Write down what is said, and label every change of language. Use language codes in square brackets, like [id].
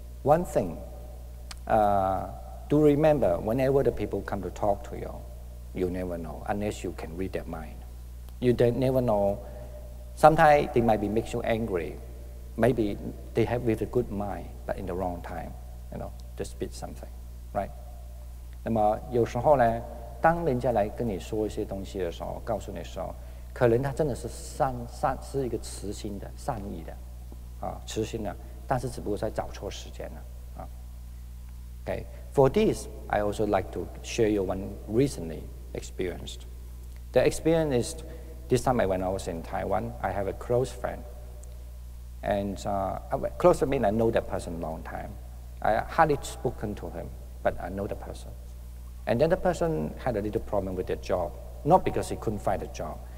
[en] One thing, do remember whenever the people come to talk to you, you never know unless you can read their mind. You don't never know. Sometimes they might be makes you angry. Maybe they have with a good mind, but in the wrong time, you know, to spit something, right? [zh] 那么有时候呢，当人家来跟你说一些东西的时候，告诉你的时候，可能他真的是善是一个慈心的、善意的，啊，慈心的，但是只不过在找错时间了，啊。 [en] Okay, for this, I also like to share you one recently experienced. The experience is this time when I was in Taiwan, I have a close friend, and close to me, I know that person a long time. I hardly spoken to him, but I know the person. And then the person had a little problem with their job, not because he couldn't find a job.